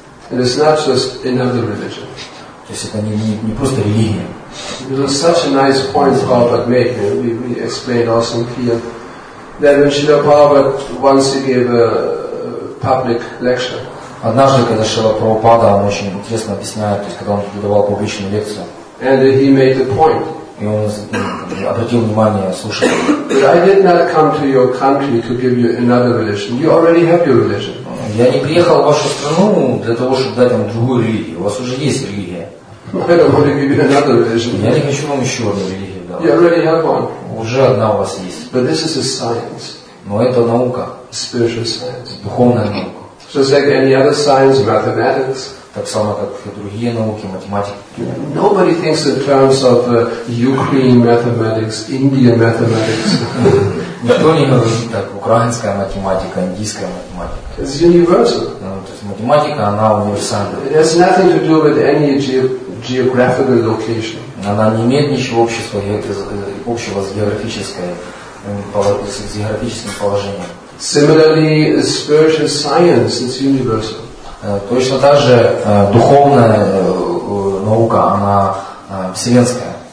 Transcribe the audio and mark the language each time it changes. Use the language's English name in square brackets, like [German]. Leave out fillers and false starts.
[English] It is not just another religion. [Russian] То есть это не просто религия. [English] It was such a nice point Prabhupada made. We explained also here that when Srila Prabhupada wants to give a public lecture. [Russian] Однажды, когда Шрила Прабхупада, он очень интересно объясняет, то есть когда он давал публичную лекцию. [English] And he made a point. [Russian] И он обратил внимание слушателей. [English] I did not come to your country to give you another religion. You already have your religion. [Russian] Я не приехал в вашу страну для того, чтобы дать вам другую религию. У вас уже есть религия. [English] I don't want to give you another religion. [Russian] Я не хочу вам еще одну религию дать. [English] You already have one. [Russian] Уже одна у вас есть. [English] But this is a science. [Russian] Но это наука. [English] Spiritual science. [Russian] Духовная наука. [English] Just like any other science, mathematics. [Russian] Так само, как и другие науки, математики. [English] Nobody thinks in terms of Ukraine mathematics, Indian mathematics. [Russian] Никто не говорит так. Украинская математика, индийская математика. [English] It's universal. [Russian] То есть математика, она универсальная. [English] It has nothing to do with any geographical location. [Russian] Она не имеет ничего общего с географическим положением. [English] Similarly, spiritual science is universal. [Russian] Точно так же духовная наука, она вселенская.